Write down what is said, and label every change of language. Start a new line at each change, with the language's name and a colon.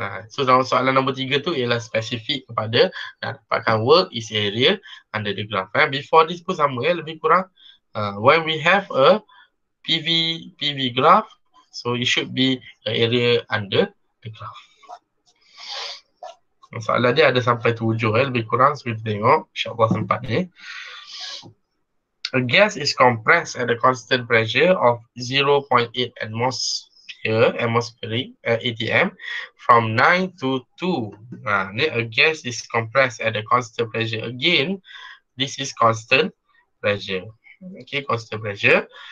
Malay: So dalam soalan nombor 3 tu ialah spesifik kepada nak dapatkan
English: work is area under the graph. Before this
Malay: pun sama ya, lebih kurang.
English: When we have a PV graph, so it should be the area under the graph.
Malay: Soalan dia ada sampai 7 lebih kurang. So kita tengok, insyaAllah sempat ni.
English: A gas is compressed at a constant pressure of 0.8 atmospheric ATM from 9 to 2. Ni a gas is compressed at a constant pressure. Again, this is constant pressure. Okay, constant pressure